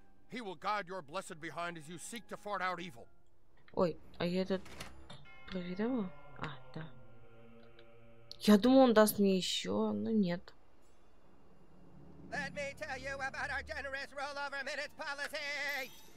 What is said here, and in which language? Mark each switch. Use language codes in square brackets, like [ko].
[en] He will guide your blessed behind as you seek to fart out evil. [ru] Ой, а я этот проверяла? А, да. Я думал, он даст мне еще, но нет. [en] Let me tell you about our generous rollover minutes policy.